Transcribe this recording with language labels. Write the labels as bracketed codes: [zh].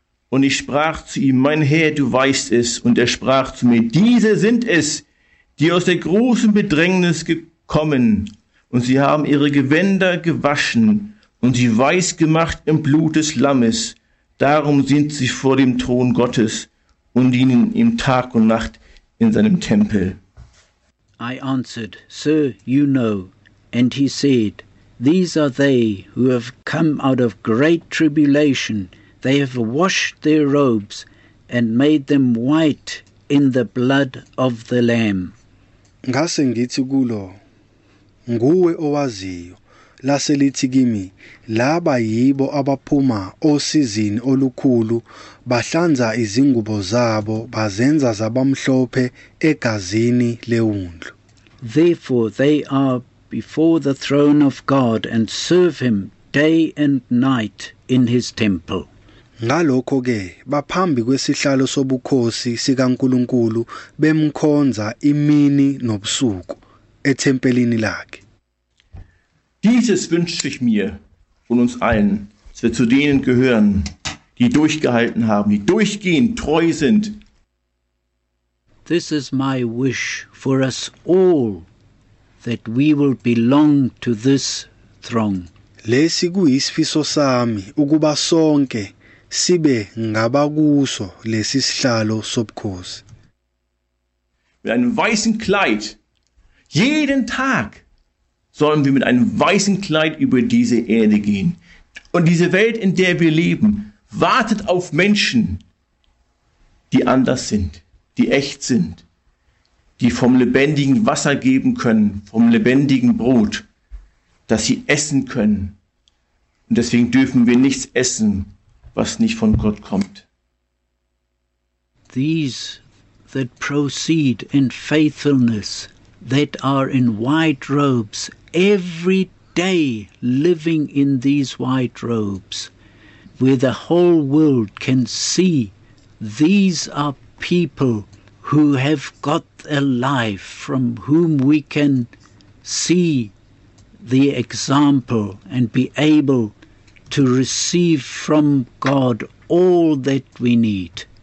[de] Und ich sprach zu ihm, mein Herr, du weißt es. Und er sprach zu mir, diese sind es, die aus der großen Bedrängnis gekommen. Und sie haben ihre Gewänder gewaschen und sie weiß gemacht im Blut des Lammes. Darum sind sie vor dem Thron Gottes. Und ihnen im Tag und Nacht in seinem Tempel. [en] I answered, Sir, you know. And he said, these are they who have come out of great tribulation. They have washed their robes and made them white in the blood of the Lamb. [zu] Ngase ngithi kulo, nguwe owaziyo. Lase lithi kimi, laba yibo abaphuma osizini olukhulu, bahlanza izingubo zabo, bazenza zabamhlophe egazini leundlu. [en] Therefore they are before the throne of God and serve him day and night in his temple. [zu] Ngalokho ke, baphambi kwesihlalo sobukhosi sikaNkulunkulu, bemkhonza imini nobusuku ethempelini lakhe. [de] Dieses wünsche ich mir und uns allen, dass wir zu denen gehören, die durchgehalten haben, die durchgehend treu sind. [en] This is my wish for us all, that we will belong to this throng. [zu] Lesi kuyisifiso sami ukuba sonke sibe ngabakuso lesi sihlalo sobukhosi. [de] Mit einem weißen Kleid, jeden Tag, sollen wir mit einem weißen Kleid über diese Erde gehen. Und diese Welt, in der wir leben, wartet auf Menschen, die anders sind, die echt sind, die vom lebendigen Wasser geben können, vom lebendigen Brot, dass sie essen können. Und deswegen dürfen wir nichts essen, was nicht von Gott kommt. [en] These that proceed in faithfulness, that are in white robes, every today living in these white robes, where the whole world can see these are people who have got a life from whom we can see the example and be able to receive from God all that we need.